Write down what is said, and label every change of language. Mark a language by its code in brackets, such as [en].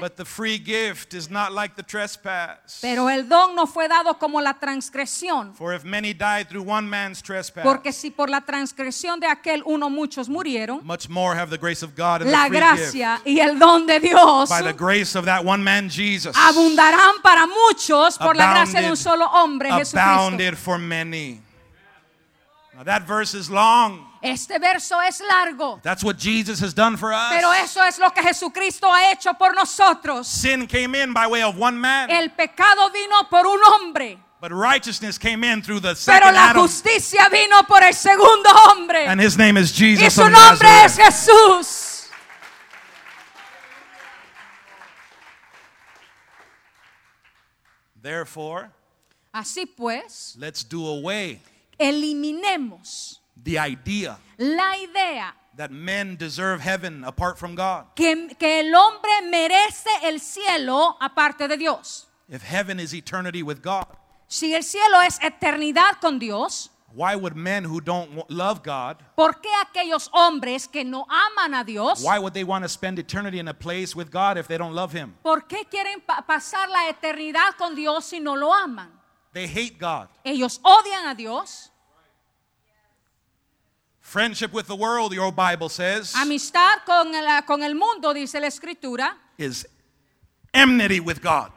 [en] But the free gift is not like the trespass. [es] Pero el don no fue dado como la transgresión. [en] For if many died through one man's trespass. [es] Porque si por la transgresión de aquel uno muchos murieron. [en] Much more have the grace of God and [es] la [en] the free [es] gracia [en] gift. [es] Y el don de Dios. [en] By the grace of that one man Jesus. [es] Abundarán para muchos por la gracia de un solo hombre Jesucristo. [en] Abounded for many. Now that verse is long. [es] Este verso es largo. [en] That's what Jesus has done for us. [es] Pero eso es lo que Jesucristo ha hecho por nosotros. [en] Sin came in by way of one man. [es] El pecado vino por un hombre. [en] But righteousness came in through the second [es] Adam. Pero la justicia vino por el segundo hombre. [en] And his name is Jesus. [es] Y su nombre es Jesús. [en] Therefore, [es] así pues, [en] let's do away. [es] Eliminemos. [en] The idea, [es] la idea [en] that men deserve heaven apart from God. [es] Que el hombre merece el cielo aparte de Dios. [en] If heaven is eternity with God, [es] si el cielo es eternidad con Dios, [en] why would men who don't love God, [es] ¿por qué aquellos hombres que no aman a Dios, [en] why would they want to spend eternity in a place with God if they don't love him? [es] ¿Por qué quieren pasar la eternidad con Dios si no lo aman? [en] They hate God. [es] Ellos odian a Dios. [en] Friendship with the world, your Bible says. [es] Amistad con el mundo, dice la escritura. [en] Is enmity with God.